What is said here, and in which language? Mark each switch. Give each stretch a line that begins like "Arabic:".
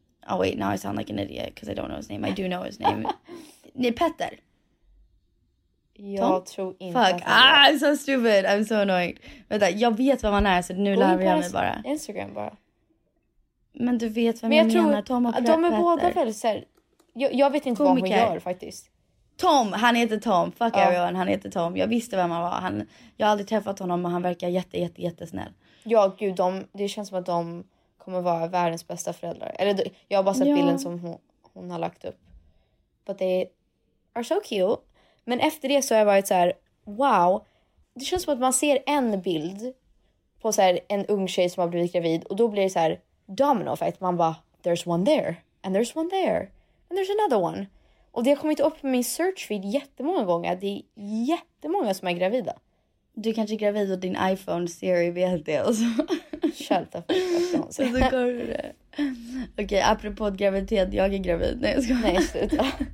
English: Oh wait, now I sound like an idiot because I don't know his name. I do know his name.
Swedish: Nej, Petter. Jag tror inte.
English: Fuck, ah, I'm so stupid, I'm so annoyed.
Swedish: Vänta, jag vet vem han är, så nu lär jag mig bara. Instagram bara. Men du vet vem jag menar, Tom och Petter. De är båda väldigt såhär, jag vet inte komiker. Vad hon gör faktiskt. Tom, han heter Tom,
English: fuck everyone,
Swedish: han heter Tom. Jag visste vem han var, jag har aldrig träffat honom och han verkar jättesnäll. Ja gud, det känns som att de kommer vara världens bästa föräldrar. Eller jag har bara sett bilden som hon har lagt upp.
English: But they are so cute.
Swedish: Men efter det så har jag varit så här, wow. Det känns som att man ser en bild på så här, en ung tjej som har blivit gravid. Och då blir det så här,
English: domino effect.
Swedish: Man bara,
English: there's one there, and there's another one.
Swedish: Och det har kommit upp på min search feed jättemånga gånger. Det är jättemånga som är gravida. Du är kanske gravid och din iPhone Siri vet det.
English: Shut the fuck up.
Swedish: Okej, apropå graviditet, jag är gravid. Nej, jag ska. Nej, sluta.